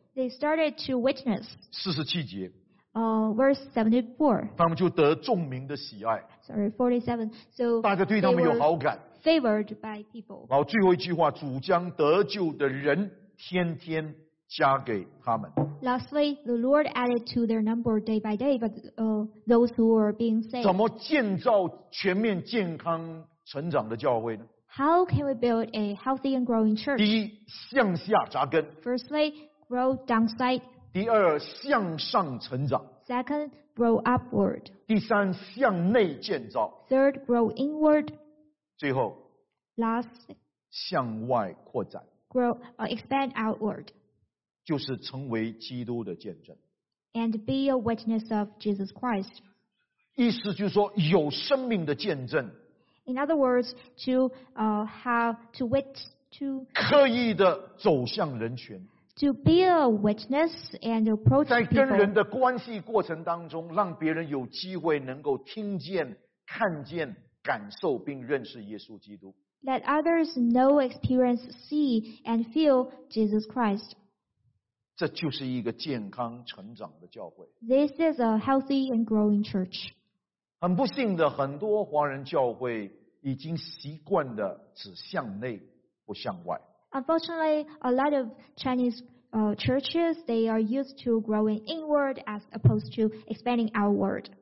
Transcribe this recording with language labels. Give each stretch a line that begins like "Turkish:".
English: They started to witness.
Chinese: 四十七节。
English: Verse 74.
Chinese: 他们就得众民的喜爱。
English: 47. So
Chinese: 大家对他们有好感。
English: Favored by people.
Chinese: 然后最后一句话，主将得救的人天天加给他们。
English: Lastly, the Lord added to their number day by day, but those who were being saved.
Chinese: 怎么建造全面健康成长的教会呢？
English: How can we build a healthy and growing church?
Chinese: 第一，向下扎根。
English: Firstly, grow downside.
Chinese: 第二，向上成长。
English: Second, grow upward.
Chinese: 第三，向内建造。
English: Third, grow inward.
Chinese: 最后
English: ，Lastly,
Chinese: 向外扩展。
English: Grow, expand outward.
Chinese: 就是成为基督的见证。
English: And be a witness of Jesus Christ.
Chinese: 意思就是说有生命的见证。
English: In other words, to have to wit to
Chinese: 刻意的走向人群。
English: To be a witness and approach people.
Chinese: 在跟人的关系过程当中，让别人有机会能够听见、看见、感受并认识耶稣基督。
English: Let others know, experience, see and feel Jesus Christ.
Chinese: 这就是一个健康成长的教会。
English: This is a healthy and growing church.
Chinese: 很不幸的，很多华人教会已经习惯的只向内不向外。
English: Unfortunately, a lot of Chinese churches they are used to growing inward as opposed to expanding outward.